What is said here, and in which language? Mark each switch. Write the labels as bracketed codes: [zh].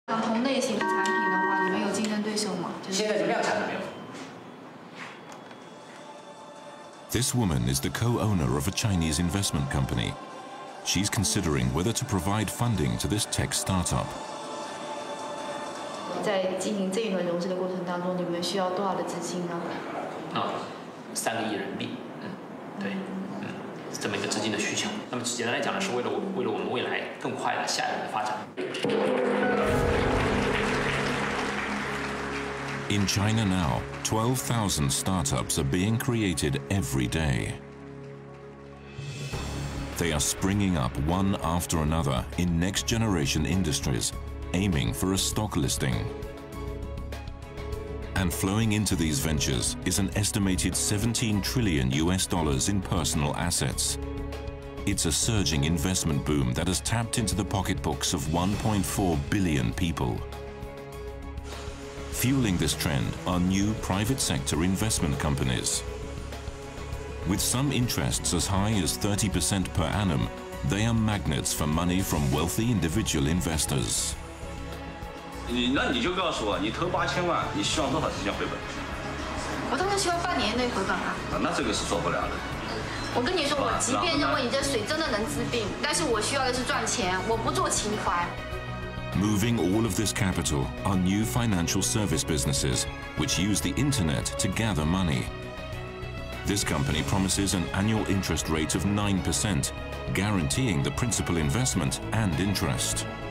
[zh] 然后那些产品的话，你们有竞争对手吗？就是、现在就量产了没有？ [en] This woman is the co-owner of a Chinese investment company. She's considering whether to provide funding to this tech startup. [zh] 在进行这一轮融资的过程当中，你们需要多少的资金呢？啊，3亿人民币。对，这么一个资金的需求。那么简单来讲呢，是为了我们未来更快的下一轮的发展。 [en] In China now, 12,000 startups are being created every day. They are springing up one after another in next-generation industries, aiming for a stock listing. And flowing into these ventures is an estimated $17 trillion in personal assets. It's a surging investment boom that has tapped into the pocketbooks of 1.4 billion people. Fueling this trend are new private sector investment companies. With some interests as high as 30% per annum, they are magnets for money from wealthy individual investors. [zh] 那你就告诉我，你投8000万，你希望多少时间回本？我当然希望半年内回本啊。那这个是做不了的。我跟你说，我即便认为你这水真的能治病，但是我需要的是赚钱，我不做情怀。 [en] Moving all of this capital are new financial service businesses, which use the internet to gather money. This company promises an annual interest rate of 9%, guaranteeing the principal investment and interest.